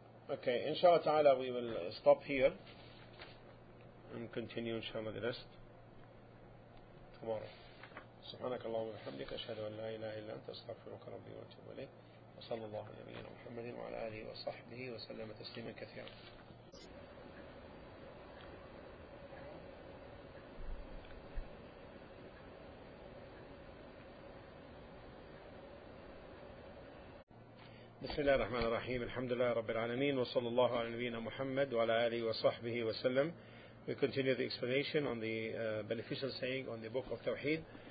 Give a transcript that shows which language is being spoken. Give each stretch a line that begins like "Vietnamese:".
English: Okay, inshallah ta'ala, we will stop here and continue inshallah the rest tomorrow.
Arabic: سبحانك اللهم وبحمدك اشهد ان لا اله الا انت استغفرك ربي واتوب اليك وصلى الله على نبينا محمد وعلى اله وصحبه وسلم تسليما كثيرا. بسم الله الرحمن الرحيم. الحمد لله رب العالمين وصلى الله على نبينا محمد وعلى اله وصحبه وسلم.
English: We continue the explanation on the beneficial saying on the book of Tawheed.